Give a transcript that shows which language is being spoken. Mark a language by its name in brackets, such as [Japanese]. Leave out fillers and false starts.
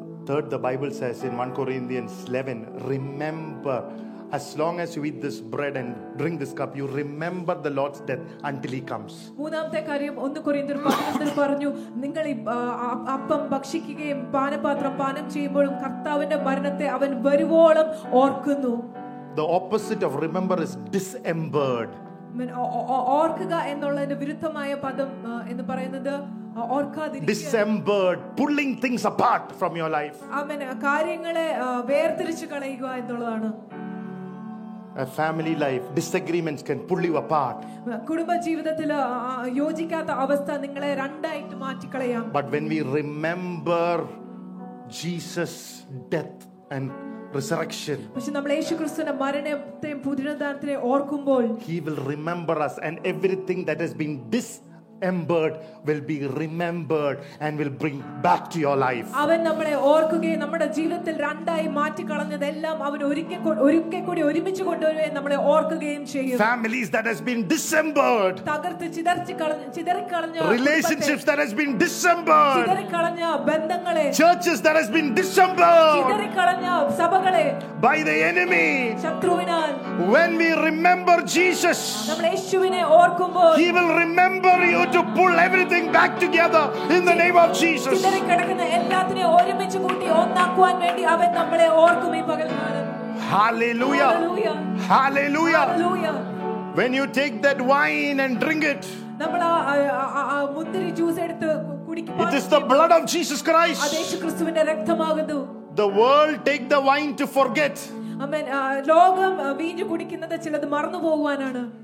[English] Third the Bible says in 1 Corinthians 11 remember as long as you eat this bread and drink this cup you remember the Lord's death until he comes. [Malayalam] മൂന്നാമത്തെ കാര്യം 1 കൊരിന്ത്യർ 11 പറഞ്ഞു നിങ്ങൾ ഈ അപ്പം ഭക്ഷിക്കുകയും പാനപാത്രം പാനം ചെയ്യുമ്പോഴും കർത്താവിന്റെ മരണത്തെ അവൻ വരുവോളം ഓർക്കുന്നു. [English] The opposite of remember is disembowered. [Malayalam] ഓർക്കുക എന്നുള്ളതിന്റെ വിരുദ്ധമായ പദം എന്ന് പറയുന്നത് [English] December, pulling things apart from your life. Amen. [Malayalam] കാര്യങ്ങളെ വേർതിരിച്ചു കളയുക എന്നുള്ളതാണ്. [English] A family life, disagreements can pull you apart. [Malayalam] കുടുംബ ജീവിതത്തിൽ യോജിക്കാത്ത അവസ്ഥ നിങ്ങളെ രണ്ടായിട്ട് മാറ്റി കളയാം. [English] But when we remember Jesus death and resurrection, [Malayalam] പക്ഷേ നമ്മൾ യേശുക്രിസ്തുവിന്റെ മരണത്തെയും പുനരുദ്ധാനത്തെയും ഓർക്കുമ്പോൾ, [English] He will remember us and everything that has been disembered will be remembered and will bring back to your life. [Malayalam] അവൻ നമ്മളെ ഓർക്കുകയും നമ്മുടെ ജീവിതത്തിൽ രണ്ടായി മാറ്റി കളഞ്ഞതെല്ലാം അവൻ ഒരിക്കൽ കൂടി ഒരുമിച്ച് കൊണ്ടുവരുകയും നമ്മളെ ഓർക്കുകയും ചെയ്യും. [English] Families that has been disembered, [Malayalam] തകർത്ത് ചിതറിക്കളഞ്ഞ [English] relationships that has been disembered, [Malayalam] ചിതറിക്കളഞ്ഞ ബന്ധങ്ങളെ, [English] churches that has been disembered, [Malayalam] ചിതറിക്കളഞ്ഞ സഭകളെ, [English] by the enemy, [Malayalam] ശത്രുവിനാൽ. [English] When we remember Jesus, [Malayalam] നമ്മൾ യേശുവിനെ ഓർക്കുമ്പോൾ, [English] He will remember you to pull everything back together in the name of Jesus. [Malayalam] ഇതിനെ കടക്കുന്ന എല്ലാത്തിനെ ഒരുമിച്ച് കൂട്ടി ഒന്നാക്കുവാൻ വേണ്ടി അവൻ നമ്മളെ ഓർക്കും ഈ പകൽനാളിൽ. [English] Hallelujah. Hallelujah. Hallelujah. When you take that wine and drink it, [Malayalam] നമ്മൾ ആ മുന്തിരി ജ്യൂസ് എടുത്ത് കുടിക്കുമ്പോൾ, [English] it is the blood of Jesus Christ. [Malayalam] അത് യേശുക്രിസ്തുവിന്റെ രക്തമാകുന്നു. [English] The world take the wine to forget. Amen. [Malayalam] ലോകം വീഞ്ഞ് കുടിക്കുന്നത് ചിലത് മറന്നു പോകുവാനാണ്.